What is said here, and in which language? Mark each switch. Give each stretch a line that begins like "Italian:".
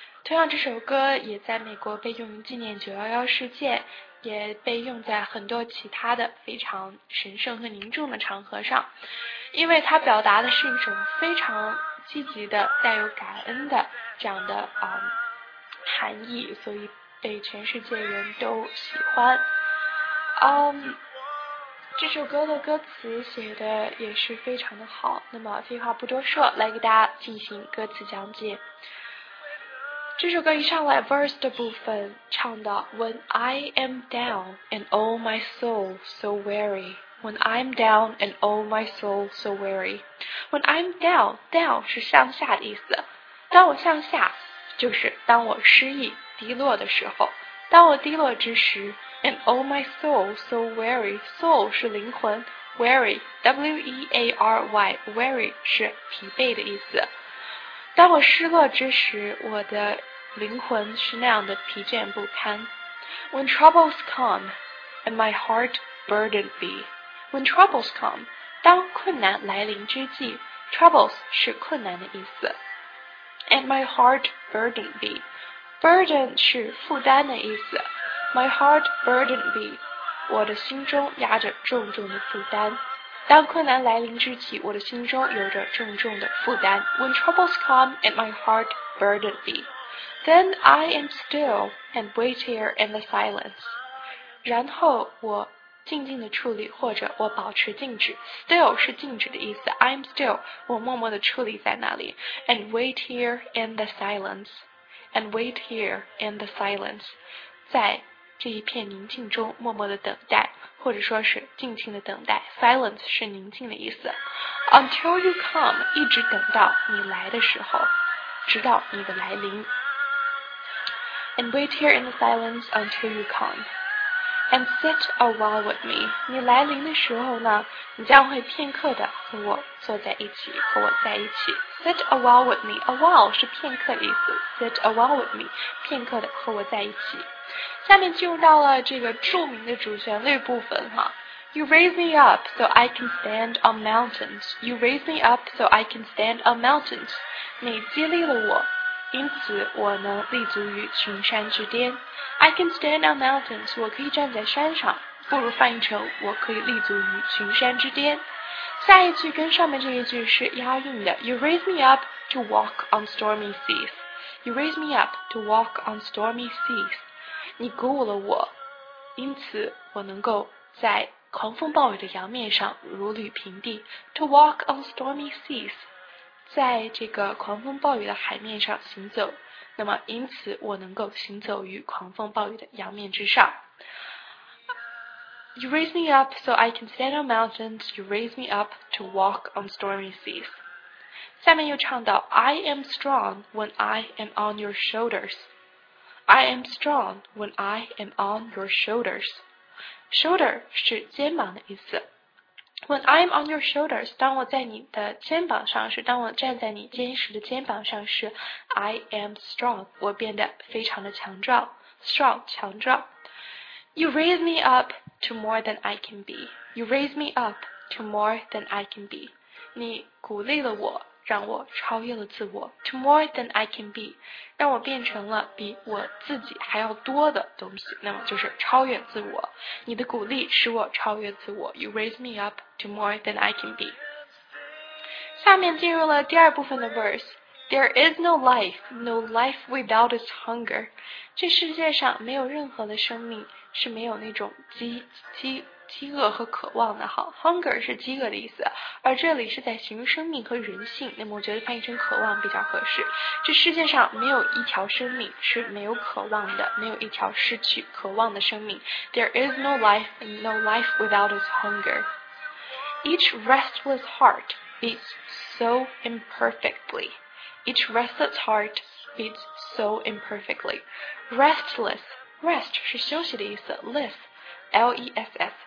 Chinese: 同样，这首歌也在美国被用于纪念911事件，也被用在很多其他的非常神圣和凝重的场合上，因为它表达的是一种非常积极的、带有感恩的这样的含义，所以被全世界人都喜欢。这首歌的歌词写的也是非常的好。那么废话不多说，来给大家进行歌词讲解。这首歌一上来
English: verse
Chinese: 的部分唱到
English: When I am down and all my soul so weary。 When I'm down and all my soul so weary. When I'm down, down 是向下的意思。
Chinese: 当我向下，就是当我失意、低落的时候。当我低落之时
English: ，and all my soul so weary.
Chinese: Soul 是灵魂 ，weary,
English: W-E-A-R-Y,
Chinese: weary 是疲惫的意思。当我失落之时，我的灵魂是那样的疲倦不堪。
English: When troubles come, and my heart burdened be. When troubles come,
Chinese: 当困难来临之际 ,troubles 是困难的意思。
English: And my heart burdened be, burden
Chinese: 是负担的意思。
English: My heart burdened be,
Chinese: 我的心中压着重重的负担。当困难来临之际，我的心中有着重重的负担。
English: When troubles come, and my heart burdened be, then I am still and wait here in the silence.
Chinese: 然后我静静的处理，或者我保持静止。Still 是静止的意思。
English: I'm still,
Chinese: 我默默的处理在那里。
English: And wait here in the silence. And wait here in the silence.
Chinese: 在这一片宁静中默默的等待，或者说是静静的等待。 Silence 是宁静的意思。
English: Until you come,
Chinese: 一直等到你来的时候，直到你的来临。
English: And wait here in the silence until you come. And sit a while with me.
Chinese: 你来临的时候呢，你将会片刻的和我坐在一起，和我在一起。
English: Sit a while with me.
Chinese: A while 是片刻的意思。
English: Sit a while with me.
Chinese: 片刻的和我在一起。下面进入到了这个著名的主旋律部分哈。
English: You raise me up so I can stand on mountains. You raise me up so I can stand on mountains.
Chinese: 你激励了我，因此我能立足于群山之巅。
English: I can stand on mountains,
Chinese: 我可以站在山上，不如翻译成我可以立足于群山之巅。下一句跟上面这一句是押韵的
English: You raise me up to walk on stormy seas. You raise me up to walk on stormy seas.
Chinese: 你鼓舞了我，因此我能够在狂风暴雨的洋面上如履平地。
English: To walk on stormy seas,
Chinese: 在这个狂风暴雨的海面上行走。那么因此我能够行走于狂风暴雨的洋面之上。
English: You raise me up so I can stand on mountains. You raise me up to walk on stormy seas.
Chinese: 下面又唱到
English: I am strong when I am on your shoulders. I am strong when I am on your shoulders.
Chinese: Shoulder 是肩膀的意思。
English: When I'm on your shoulders,
Chinese: 当我在你的肩膀上时，当我站在你坚实的肩膀上时
English: I am strong,
Chinese: 我变得非常的强壮 Strong, 强壮
English: You raise me up to more than I can be You raise me up to more than I can be
Chinese: 你鼓励了我，让我超越了自我
English: To more than I can be
Chinese: 让我变成了比我自己还要多的东西那么就是超越自我你的鼓励使我超越自我
English: You raise me up to more than I can be
Chinese: 下面进入了第二部分的 verse
English: There is no life, no life without its hunger
Chinese: 这世界上没有任何的生命是没有那种饥饿和渴望的好 ，hunger 是饥饿的意思，而这里是在形容生命和人性。那么我觉得翻译成渴望比较合适。这世界上没有一条生命是没有渴望的，没有一条失去渴望的生命。
English: There is no life, no life without its hunger. Each restless heart beats so imperfectly. Each restless heart beats so imperfectly. Restless, rest
Chinese: 是休息的意思
English: ，less, L-E-S-S.